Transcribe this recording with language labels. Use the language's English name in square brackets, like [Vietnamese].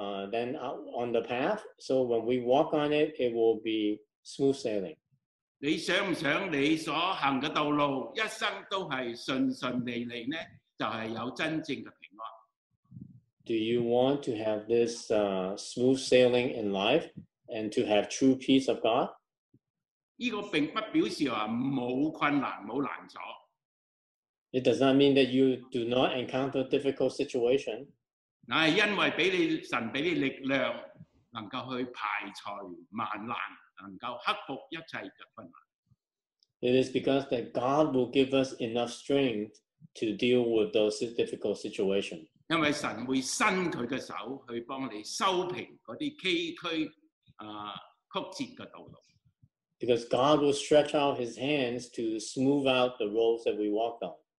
[English] Then on the path, so when we walk on it, it will be smooth sailing. [Cantonese] 你想唔想你所行嘅道路一生都系顺顺利利呢？就系有真正嘅平安。 [English] Do you want to have this smooth sailing in life and to have true peace of God? [Cantonese] 呢个并不表示话冇困难冇难阻。 [English] It does not mean that you do not encounter difficult situation. [Cantonese] 乃係因為俾你神俾你力量，能夠去排除萬難，能夠克服一切嘅困難。 [English] It is because that God will give us enough strength to deal with those difficult situations. [Cantonese] 因為神會伸佢嘅手去幫你修平嗰啲崎嶇啊曲折嘅道路。 [English] Because God will stretch out His hands to smooth out the roads that we walk on.